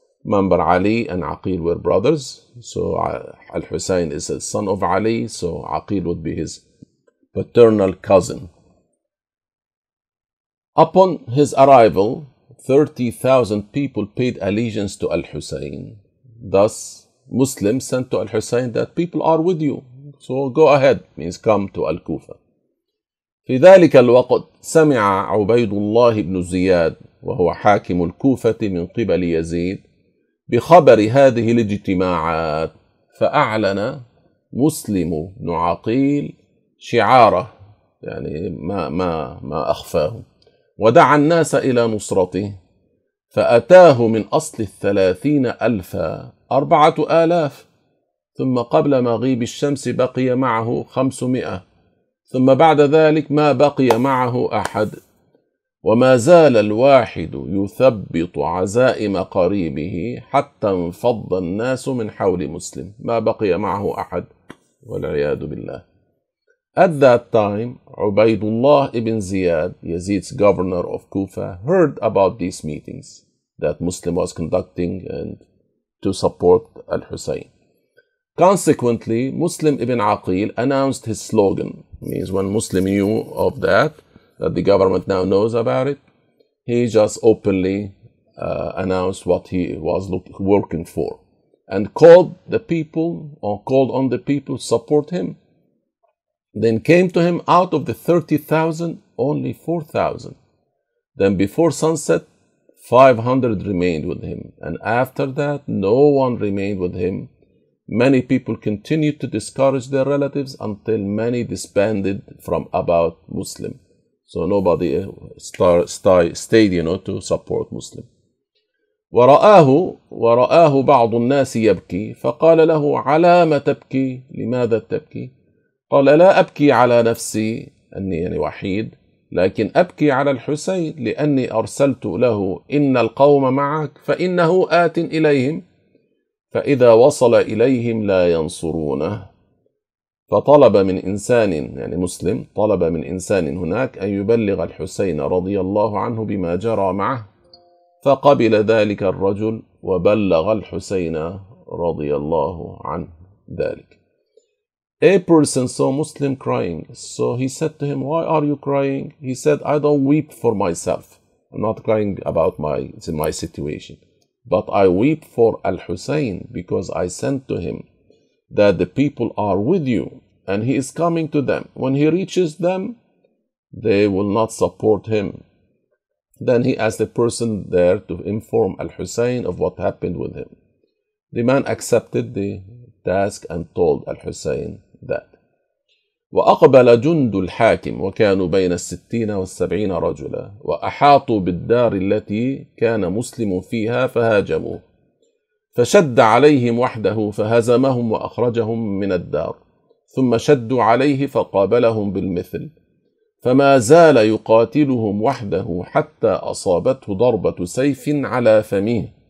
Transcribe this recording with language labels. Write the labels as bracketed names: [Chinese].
[English] Remember, Ali and Aqil were brothers, so al-Husayn is the son of Ali, so Aqil would be his paternal cousin. Upon his arrival, 30,000 people paid allegiance to al-Husayn. Thus, Muslim sent to al-Husayn that people are with you, so go ahead, means come to Al-Kufa. [Arabic] في ذلك الوقت سمع عبيد الله بن زياد وهو حاكم الكوفة من قبل يزيد بخبر هذه الاجتماعات، فأعلن مسلم بن عقيل شعاره، يعني ما أخفاه، ودعا الناس إلى نصرته، فأتاه من أصل 30,000 4,000، ثم قبل مغيب الشمس بقي معه 500، ثم بعد ذلك ما بقي معه أحد، وما زال الواحد يثبط عزائم قريبه حتى انفض الناس من حول مسلم، ما بقي معه أحد والعياذ بالله. [English] At that time, Ubaydullah ibn Ziyad, Yazid's governor of Kufa, heard about these meetings that Muslim was conducting and to support al-Husayn. Consequently, Muslim ibn Aqil announced his slogan. Means when Muslim knew of that the government now knows about it, he just openly announced what he was working for and called on the people to support him. Then came to him out of the 30,000 only 4,000. Then before sunset, 500 remained with him. And after that, no one remained with him. Many people continued to discourage their relatives until many disbanded from about Muslim. So nobody stayed, you know, to support Muslim. [Arabic] ورآه بعض الناس يبكي فقال له على ما تبكي لماذا تبكي قال لا أبكي على نفسي أني يعني وحيد لكن أبكي على الحسين لأني أرسلت له إن القوم معك فإنه آت إليهم فإذا وصل إليهم لا ينصرونه فطلب من إنسان يعني مسلم طلب من إنسان هناك أن يبلغ الحسين رضي الله عنه بما جرى معه فقبل ذلك الرجل وبلغ الحسين رضي الله عنه ذلك. [English] A person saw Muslim crying, so he said to him, why are you crying? He said, I don't weep for myself. I'm not crying about my situation. But I weep for Al-Husayn because I sent to him that the people are with you and he is coming to them. When he reaches them, they will not support him. Then he asked the person there to inform Al-Husayn of what happened with him. The man accepted the task and told Al-Husayn that. [Arabic] وَأَقْبَلَ جُنْدُ الْحَاكِمِ وَكَانُوا بَيْنَ السِّتِّينَ وَالسَّبْعِينَ رَجُلًا وَأَحَاطُوا بِالدَّارِ الَّتِي كَانَ مُسْلِمٌ فِيهَا فَهَاجَمُوا فشد عليهم وحده فهزمهم وأخرجهم من الدار ثم شدوا عليه فقابلهم بالمثل فما زال يقاتلهم وحده حتى أصابته ضربة سيف على فمه